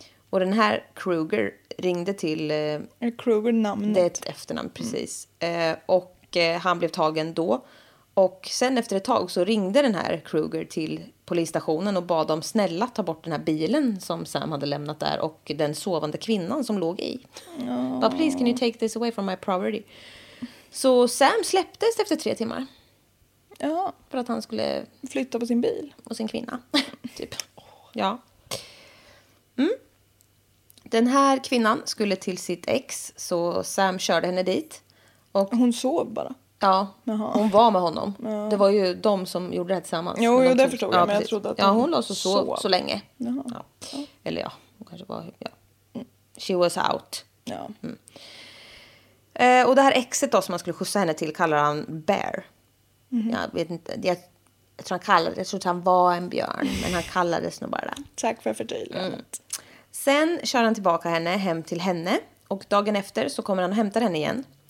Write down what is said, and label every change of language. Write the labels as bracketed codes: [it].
[sv] Och den här Kruger ringde till Kruger namnet. Det är ett efternamn, precis. Mm. Och han blev tagen då. Och sen efter ett tag så ringde den här Kruger till polisstationen och bad dem snälla ta bort den här bilen som Sam hade lämnat där och den sovande kvinnan som låg i. Oh. [en] But please can you take this away from my property? [sv] Så Sam släpptes efter 3 timmar. Ja. För att han skulle flytta på sin bil. Och sin kvinna. Typ. Ja. Mm. Den här kvinnan skulle till sitt ex så Sam körde henne dit. Och hon sov bara. Ja, jaha, hon var med honom. Ja. Det var ju de som gjorde det tillsammans. Jo, jo, det förstod jag, men jag trodde att hon låg så så länge. Jaha. Ja. Eller ja, hon kanske var, ja. [en] She was out. [sv] Ja. Mm. Och det här exet då som man skulle skjutsa henne till kallar han Bear. Mm-hmm. Jag vet inte. Jag tror han kallade, jag tror att han var en björn, men han kallades nog bara. Tack för förtydligandet. Mm. Sen kör han tillbaka henne hem till henne. Och dagen efter så kommer han och hämtar henne igen.